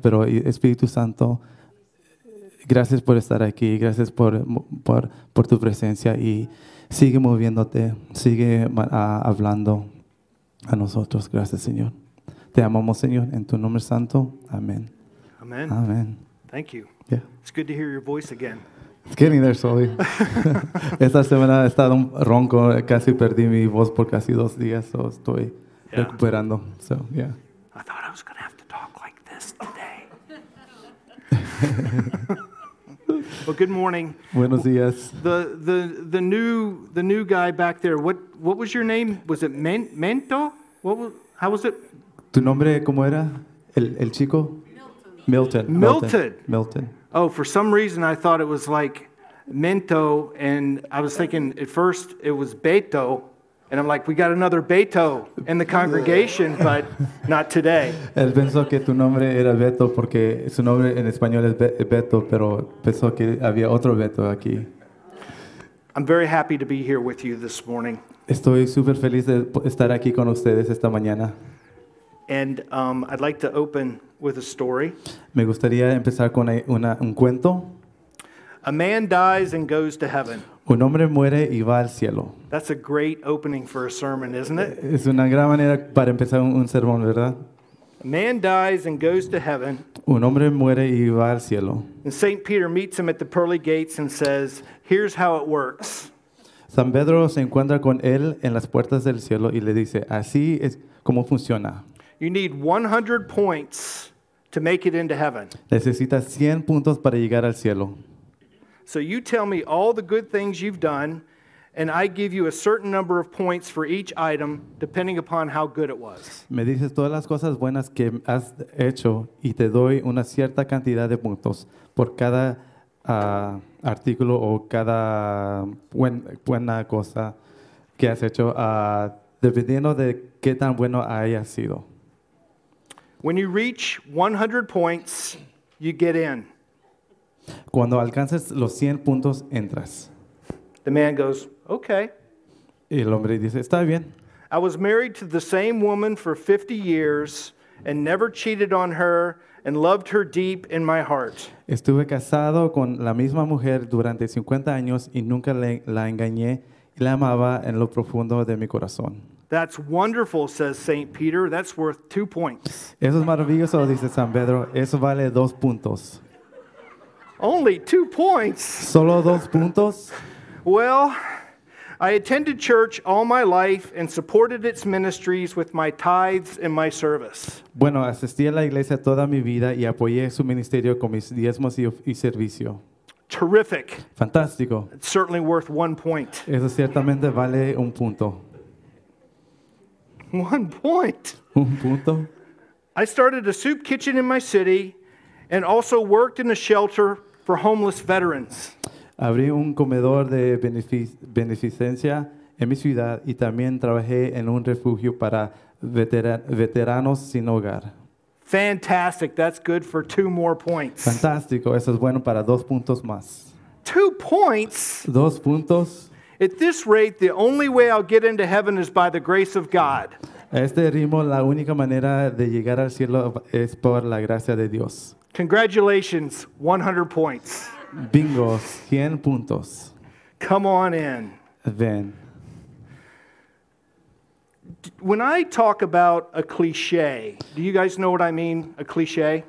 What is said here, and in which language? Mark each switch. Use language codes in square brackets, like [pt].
[es] Pero Espíritu Santo, gracias por estar aquí, gracias por tu presencia y sigue moviéndote, sigue hablando a nosotros. Gracias, Señor. Te amamos, Señor, en tu nombre santo. Amén. Amén. Amén. [en] Thank you. Yeah. It's good to hear your voice again. It's getting there slowly. [es] Esta semana he estado ronco, casi perdí mi voz por casi 2 días, so estoy recuperando. [en] So, yeah. I thought I was going to have to talk like this today. Well, good morning. [es] Buenos días. [en] The new guy back there. What was your name? Was it Mento? How was it? [es] Tu nombre cómo era? El chico? Milton. Milton. Milton. [en] Oh, for some reason I thought it was like Mento, and I was thinking at first it was Beto, and I'm like, we got another Beto in the congregation, but not today. [es] Él pensó que tu nombre era Beto porque su nombre en español es Beto, pero pensó que había otro Beto aquí. [en] I'm very happy to be here with you this morning. [es] Estoy super feliz de estar aquí con ustedes esta mañana. [en] And I'd like to open with a story. [es] Me gustaría empezar con un cuento. [en] A man dies and goes to heaven. [es] Un hombre muere y va al cielo. [en] That's a great opening for a sermon, isn't it? [es] Es una gran manera para empezar un sermón, ¿verdad? [en] A man dies and goes to heaven. [es] Un hombre muere y va al cielo. [en] And Saint Peter meets him at the pearly gates and says, "Here's how it works." [es] San Pedro se encuentra con él en las puertas del cielo y le dice, "Así es como funciona." [en] You need 100 points to make it into heaven. [es] Necesitas 100 puntos para llegar al cielo. [en] So you tell me all the good things you've done, and I give you a certain number of points for each item, depending upon how good it was. [es] Me dices todas las cosas buenas que has hecho, y te doy una cierta cantidad de puntos por cada artículo o cada buena cosa que has hecho, dependiendo de qué tan bueno haya sido. [en] When you reach 100 points, you get in. [es] Cuando alcances los 100 puntos, entras. [en] The man goes, okay. [es] Y el hombre dice, está bien. [en] I was married to the same woman for 50 years and never cheated on her and loved her deep in my heart. [es] Estuve casado con la misma mujer durante 50 años y nunca la engañé y la amaba en lo profundo de mi corazón. [en] That's wonderful, says Saint Peter. That's worth 2 points. [es] Eso es maravilloso, dice San Pedro. Eso vale 2 puntos. [en] Only 2 points? [es] Solo 2 puntos? [en] Well, I attended church all my life and supported its ministries with my tithes and my service. [es] Bueno, asistí a la iglesia toda mi vida y apoyé su ministerio con mis diezmos y servicio. [en] Terrific. [es] Fantástico. [en] It's certainly worth 1 point. [es] Eso ciertamente vale 1 punto. [en] 1 point. [es] 1 punto. [en] I started a soup kitchen in my city and also worked in a shelter for homeless veterans. [es] Abrí un comedor de beneficencia en mi ciudad y también trabajé en un refugio para veteranos sin hogar. [en] Fantastic. That's good for two more points. [es] Fantástico. Eso es bueno para dos puntos más. [en] 2 points. [es] Dos puntos. [en] At this rate, the only way I'll get into heaven is by the grace of God. [es] A este ritmo, la única manera de llegar al cielo es por la gracia de Dios. [en] Congratulations, 100 points. [es] Bingo, 100 puntos. [en] Come on in. [es] Ven. [en] When I talk about a cliche, do you guys know what I mean, a cliche?